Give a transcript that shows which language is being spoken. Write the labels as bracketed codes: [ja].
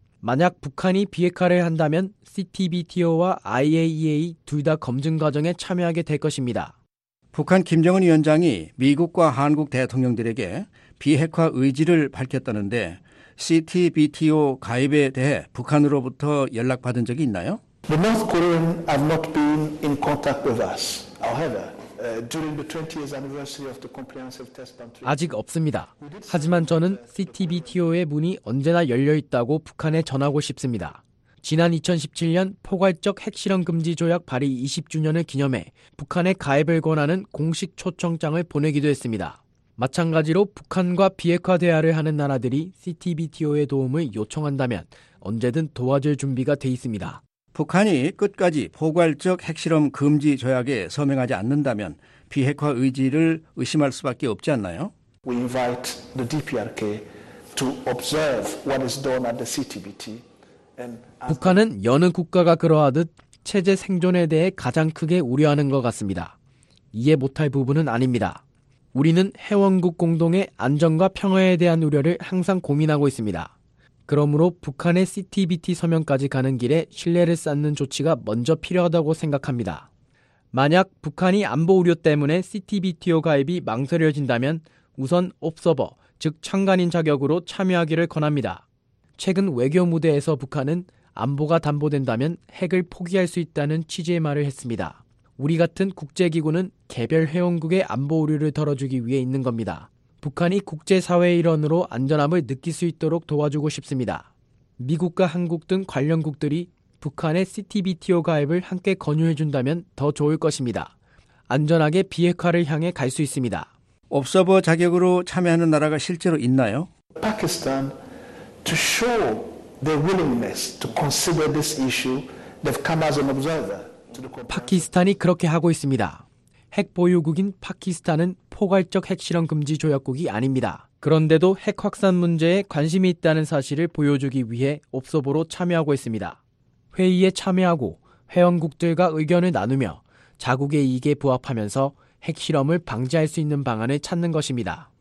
[ko] 만약 북한이 비핵화를 한다면 CTBTO와 IAEA 둘 다 검증 과정에 참여하게 될 것입니다. 북한 김정은 위원장이 미국과 한국 대통령들에게 비핵화 의지를 밝혔다는데 CTBTO 가입에 대해 북한으로부터 연락받은 적이 있나요? [en] The North Koreans have not been in contact with us. However, during the 20th anniversary of the comprehensive test ban treaty. [ko] 아직 없습니다. 하지만 저는 CTBTO의 문이 언제나 열려 있다고 북한에 전하고 싶습니다. 지난 2017년 포괄적 핵실험 금지 조약 발의 20주년을 기념해 북한에 가입을 권하는 공식 초청장을 보내기도 했습니다. 마찬가지로 북한과 비핵화 대화를 하는 나라들이 CTBTO의 도움을 요청한다면 언제든 도와줄 준비가 돼 있습니다. 북한이 끝까지 포괄적 핵실험 금지 조약에 서명하지 않는다면 비핵화 의지를 의심할 수밖에 없지 않나요? [en] We invite the DPRK to observe what is done at the CTBT. [ko] 북한은 여느 국가가 그러하듯 체제 생존에 대해 가장 크게 우려하는 것 같습니다. 이해 못할 부분은 아닙니다. 우리는 회원국 공동의 안전과 평화에 대한 우려를 항상 고민하고 있습니다. 그러므로 북한의 CTBT 서명까지 가는 길에 신뢰를 쌓는 조치가 먼저 필요하다고 생각합니다. 만약 북한이 안보 우려 때문에 CTBTO 가입이 망설여진다면 우선 옵서버, 즉 참관인 자격으로 참여하기를 권합니다. 최근 외교 무대에서 북한은 안보가 담보된다면 핵을 포기할 수 있다는 취지의 말을 했습니다. 우리 같은 국제기구는 개별 회원국의 안보 우려를 덜어주기 위해 있는 겁니다. 북한이 국제사회의 일원으로 안전함을 느낄 수 있도록 도와주고 싶습니다. 미국과 한국 등 관련국들이 북한의 CTBTO 가입을 함께 권유해준다면 더 좋을 것입니다. 안전하게 비핵화를 향해 갈 수 있습니다. 옵서버 자격으로 참여하는 나라가 실제로 있나요? [en] 파키스탄 to show their willingness to consider this issue, they've come as an observer. [ko] 파키스탄이 그렇게 하고 있습니다. 핵 보유국인 파키스탄은 포괄적 핵실험 금지 조약국이 아닙니다. 그런데도 핵 확산 문제에 관심이 있다는 사실을 보여주기 위해 옵서버로 참여하고 있습니다. 회의에 참여하고 회원국들과 의견을 나누며 자국의 이익에 부합하면서 핵실험을 방지할 수 있는 방안을 찾는 것입니다.